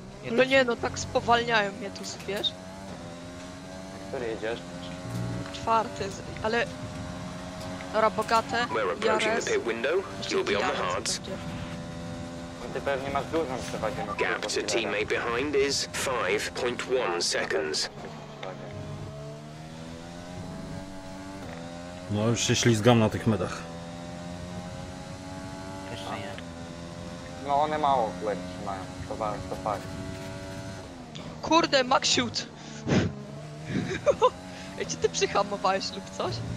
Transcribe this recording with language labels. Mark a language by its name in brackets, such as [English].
[Polish] No nie, no tak spowalniają mnie tu, wiesz? A który jedziesz? Czwarty, ale... Dobra, bogate, Jarez, czyli Jarez. Ty pewnie masz dużą przewagę. [English] Gap to teammate behind is 5.1 seconds. [Polish] No już się ślizgam na tych medach. Jeszcze nie. No one mało chleb trzymają. To bardzo, to fajnie. Kurde, max shoot! Ej, czy ty przyhamowałeś lub coś?